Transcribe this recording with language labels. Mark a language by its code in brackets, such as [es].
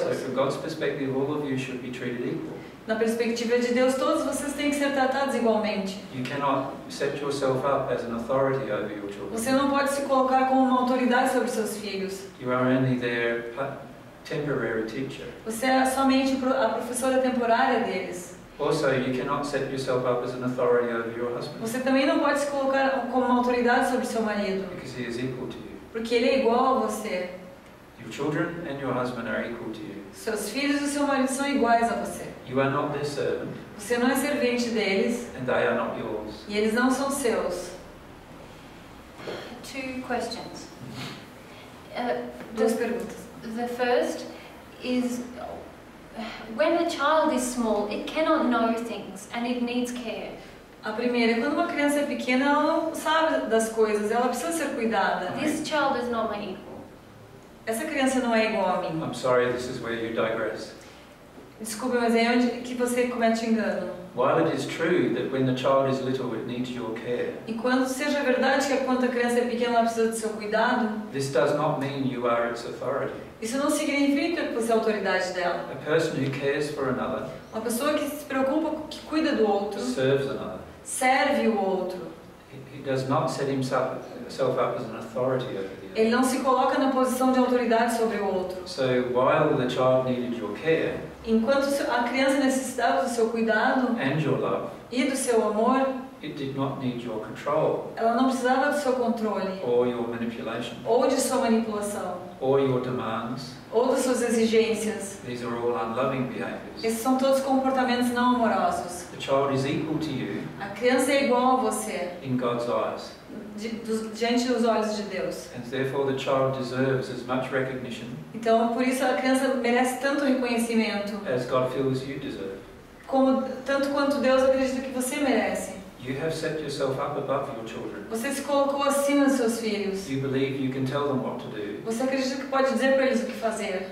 [en] So from God's perspective, all of you should be treated equal. [pt] Na perspectiva de Deus, todos vocês têm que ser tratados igualmente. [en] You cannot set yourself up as an authority over your children. [pt] Você não pode se colocar como uma autoridade sobre seus filhos. [en] You are only their temporary teacher. [pt] Você é somente a professora temporária deles. [en] Also, you cannot set yourself up as an authority over your husband. [pt] Você também não pode se colocar como uma autoridade sobre seu marido. [en] Because he is equal to you. [pt] Porque ele é igual a você. [en] Your children and your husband are equal to you. [pt] Seus filhos e seu marido são iguais a você. [en] You are not their servant. [pt] Você não é servente deles. [en] And they are not yours. [pt] E eles não são seus. [en] Two questions. [pt] Duas perguntas. [en] The first is, when a child is small, it cannot know things and it needs care. [pt] A primeira, quando uma criança é pequena, ela não sabe das coisas, ela precisa ser cuidada. [en] This child is not my equal. [pt] Essa criança não é igual a mim. [en] I'm sorry, this is where you digress. [pt] Desculpe, mas é onde que você comete engano. [en] While it is true that when the child is little, it needs your care. [pt] Enquanto seja verdade que quando a criança é pequena ela precisa do seu cuidado. [en] This does not mean you are its authority. [pt] Isso não significa que você é a autoridade dela. [en] A person who cares for another. [pt] Uma pessoa que se preocupa, que cuida do outro. [en] Serves another. [pt] Serve o outro. [en] He does not set himself up as an authority over the other. [pt] Ele não se coloca na posição de autoridade sobre o outro. [en] So while the child needed your care. [pt] Enquanto a criança necessitava do seu cuidado [en] and your love, [pt] e do seu amor, [en] it did not need your control, [pt] ela não precisava do seu controle [en] or your manipulation, [pt] ou de sua manipulação [en] or your demands, [pt] ou de suas exigências. [en] These are all unloving behaviors. [pt] Esses são todos comportamentos não amorosos. [en] The child is equal to you, [pt] a criança é igual a você [en] in God's eyes, [pt] diante dos olhos de Deus. [en] And therefore the child deserves as much recognition. [pt] Então, por isso a criança merece tanto reconhecimento. [en] As God feels you deserve. [pt] Como tanto quanto Deus acredita que você merece. [en] You have set yourself up above your children. [pt] Você se colocou acima dos seus filhos. [en] You believe you can tell them what to do. [pt] Você acredita que pode dizer para eles o que fazer.